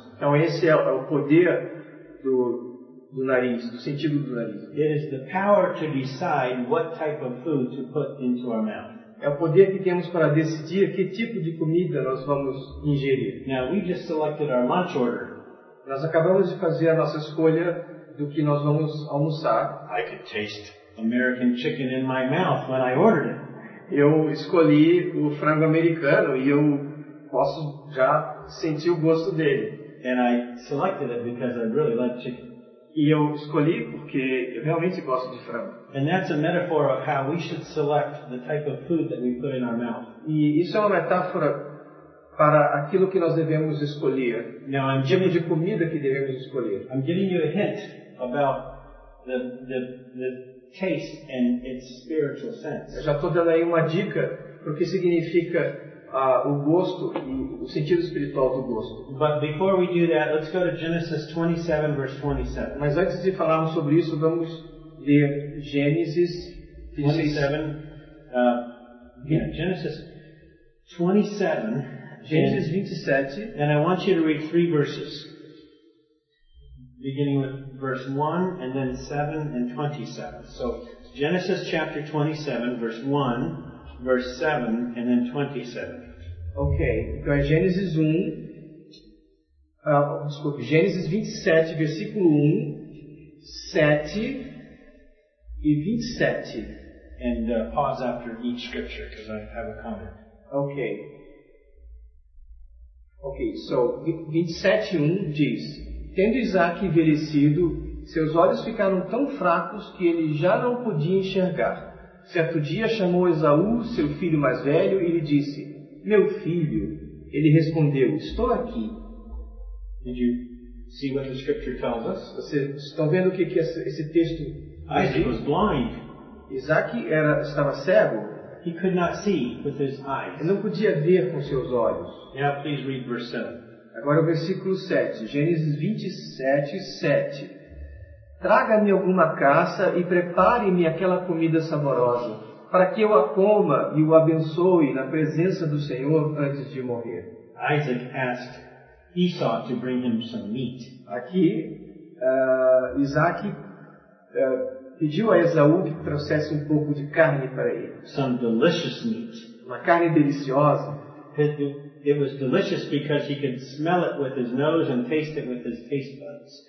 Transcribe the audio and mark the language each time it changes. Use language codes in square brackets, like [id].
[pt] Então esse é o poder do nariz, do sentido do nariz. [en] It is the power to decide what type of food to put into our mouth. [pt] É o poder que temos para decidir que tipo de comida nós vamos ingerir. [en] Now, we just selected our lunch order. [pt] Nós acabamos de fazer a nossa escolha do que nós vamos almoçar. [en] I could taste American chicken in my mouth when I ordered it. [pt] Eu escolhi o frango americano e eu posso já sentir o gosto dele. [en] And I selected it because I really like chicken. [pt] E eu escolhi porque eu realmente gosto de frango. [en] And that's a metaphor of how we should select the type of food that we put in our mouth. [pt] E isso é uma metáfora para aquilo que nós devemos escolher. [en] Now, [pt] o tipo de comida que devemos escolher. [en] I'm giving you a hint about the taste and its spiritual sense. [pt] Eu já estou dando aí uma dica para o que significa o gosto e o sentido espiritual do gosto. [en] But before we do that, let's go to Genesis 27, verse 27. [pt] Mas antes de falarmos sobre isso, vamos ler Gênesis 27. [en] Genesis 27. [pt] Gênesis 27. [en] And I want you to read three verses, beginning with verse 1, and then 7 and 27. So, Genesis chapter 27, verse 1. Verse 7 and then 27. [pt] Okay, então é Gênesis 1. Desculpe, Gênesis 27, versículo 1, 7 e 27. [en] And pause after each scripture because I have a comment. Okay. Okay, so [pt] 27, 1 diz: tendo Isaac envelhecido, seus olhos ficaram tão fracos que ele já não podia enxergar. Certo dia chamou Esaú, seu filho mais velho, e lhe disse: meu filho. Ele respondeu: estou aqui. [en] Did you see what the scripture tells us? [pt] Vocês estão vendo o que esse texto diz? [en] Isaac was blind. [pt] Isaac estava cego. [en] He could not see with his eyes. [pt] Ele não podia ver com seus olhos. [en] Now please read verse 7. [pt] Agora o versículo 7, Gênesis 27, 7. Traga-me alguma caça e prepare-me aquela comida saborosa, para que eu a coma e o abençoe na presença do Senhor antes de morrer. [en] Isaac asked Esau to bring him some meat. [pt] Aqui, Isaac pediu a Esaú que trouxesse um pouco de carne para ele. [en] Some delicious meat. [pt] Uma carne deliciosa. [en] It was delicious because he could smell it with his nose and taste it with his taste buds.